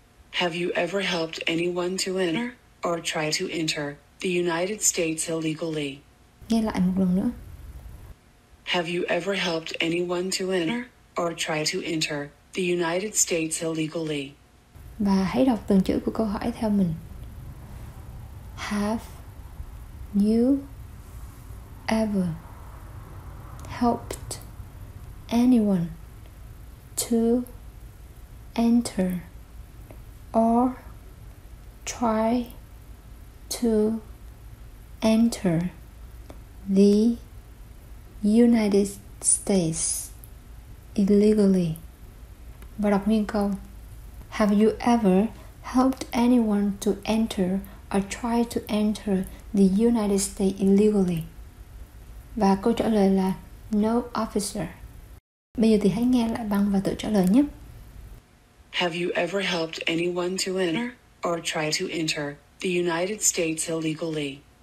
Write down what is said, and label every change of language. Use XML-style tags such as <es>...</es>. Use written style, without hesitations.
<en>Have you ever helped anyone to enter or try to enter the United States illegally?</en> <vi>Nghe lại một lần nữa.</vi> <en>Have you ever helped anyone to enter or try to enter the United States illegally?</en> <vi>Và hãy đọc từng chữ của câu hỏi theo mình.</vi> <en>Have you ever helped anyone to enter or try to enter the United States illegally?</en> <vi>Và đọc nguyên câu.</vi> <en>Have you ever helped anyone to enter or try to enter the United States illegally?</en> <vi>Và câu trả lời là</vi> <en>no, officer.</en> <vi>Bây giờ thì hãy nghe lại băng và tự trả lời nhé.</vi> <en>Have you ever helped anyone to enter or try to enter the United States illegally?</en>